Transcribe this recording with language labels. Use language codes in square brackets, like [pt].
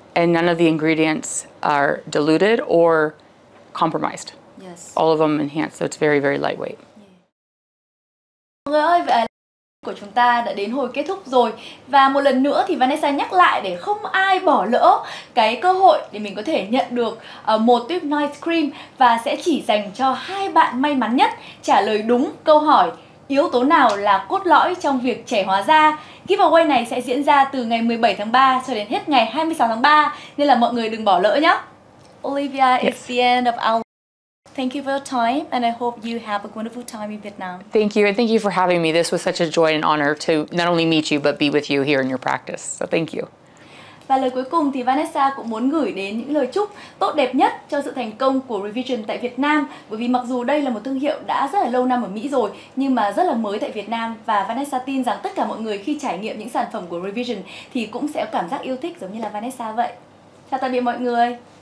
[en] And none of the ingredients are diluted or compromised. Yes. All of them enhanced, so it's very, very lightweight. [vi] Của chúng ta đã đến hồi kết thúc rồi. Và một lần nữa thì Vanessa nhắc lại để không ai bỏ lỡ cái cơ hội để mình có thể nhận được một tuyếp night cream, và sẽ chỉ dành cho hai bạn may mắn nhất trả lời đúng câu hỏi yếu tố nào là cốt lõi trong việc trẻ hóa da. Giveaway này sẽ diễn ra từ ngày 17 tháng 3 cho đến hết ngày 26 tháng 3, nên là mọi người đừng bỏ lỡ nhé. [en] Olivia, it's the end of our... Thank you for your time, and I hope you have a wonderful time in Vietnam. Thank you, and thank you for having me. This was such a joy and honor to not only meet you, but be with you here in your practice. So thank you. [vi] Và lời cuối cùng thì Vanessa cũng muốn gửi đến những lời chúc tốt đẹp nhất cho sự thành công của Revision tại Việt Nam. Bởi vì mặc dù đây là một thương hiệu đã rất là lâu năm ở Mỹ rồi, nhưng mà rất là mới tại Việt Nam. Và Vanessa tin rằng tất cả mọi người khi trải nghiệm những sản phẩm của Revision thì cũng sẽ cảm giác yêu thích giống như là Vanessa vậy. Chào tạm biệt mọi người.